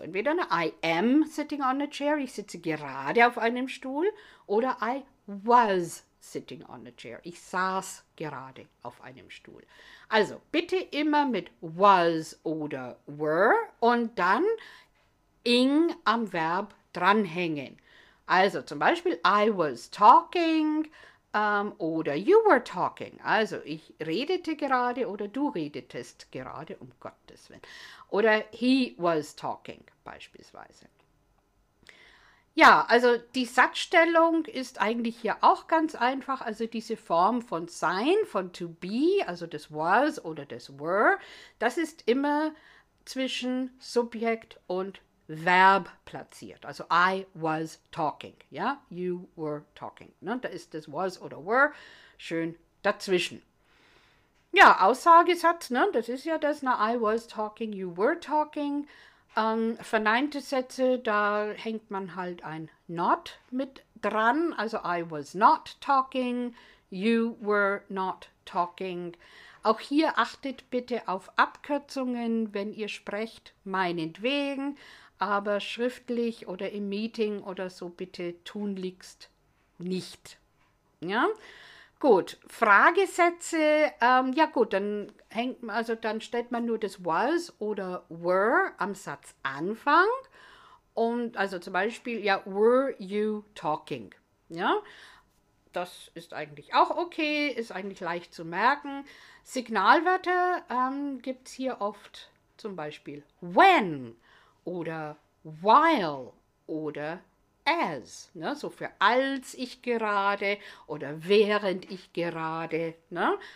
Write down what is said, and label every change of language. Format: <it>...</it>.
<de>Entweder eine</de> <en>I am sitting on a chair,</en> <de>ich sitze gerade auf einem Stuhl, oder</de> <en>I was sitting on a chair,</en> <de>ich saß gerade auf einem Stuhl. Also bitte immer mit was oder were und dann Ing am Verb dranhängen. Also zum Beispiel,</de> <en>I was talking</en> <de>oder</de> <en>you were talking.</en> <de>Also ich redete gerade oder du redetest gerade, um Gottes Willen. Oder</de> <en>he was talking</en> <de>beispielsweise. Ja, also die Satzstellung ist eigentlich hier auch ganz einfach. Also diese Form von sein, von to be, also des was oder des were, das ist immer zwischen Subjekt und Verb platziert.</de> <en>Also I was talking. Ja, you were talking. Ne?</en> <de>Da ist das was oder were schön dazwischen. Ja, Aussagesatz, ne? Das ist ja das, na,</de> <en>I was talking, you were talking.</en> <de>Verneinte Sätze, da hängt man halt ein not mit dran.</de> <en>Also I was not talking, you were not talking.</en> <de>Auch hier achtet bitte auf Abkürzungen, wenn ihr sprecht, meinetwegen. Aber schriftlich oder im Meeting oder so bitte tunlichst nicht. Ja, gut. Fragesätze. Ja gut, dann hängt man, also dann stellt man nur das was oder were am Satzanfang. Und also zum Beispiel, ja,</de> <en>were you talking?</en> <de>Ja, das ist eigentlich auch okay, ist eigentlich leicht zu merken. Signalwörter gibt es hier oft, zum Beispiel when. Oder while oder as, ne? So für als ich gerade oder während ich gerade, ne?</de>